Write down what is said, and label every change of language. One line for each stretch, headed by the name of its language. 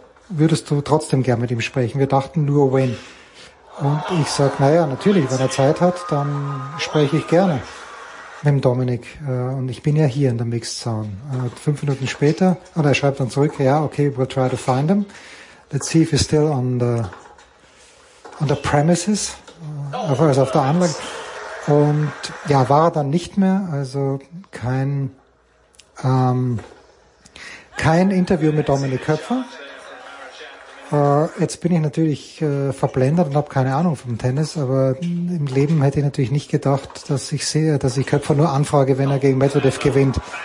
German: Würdest du trotzdem gern mit ihm sprechen? Wir dachten nur Win. Und ich sag, naja, natürlich, wenn er Zeit hat, dann spreche ich gerne mit dem Dominik. Und ich bin ja hier in der Mixed Zone. 5 Minuten später, und er schreibt dann zurück, ja, okay,
English: we'll try to find him. Let's see if he's still on the premises.
German: Also auf der Anlage. Und ja, war er dann nicht mehr, also kein Interview mit Dominik Köpfer. Jetzt bin ich natürlich verblendet und habe keine Ahnung vom Tennis, aber im Leben hätte ich natürlich nicht gedacht, dass ich sehe, dass ich Köpfer nur anfrage, wenn er gegen Medvedev gewinnt.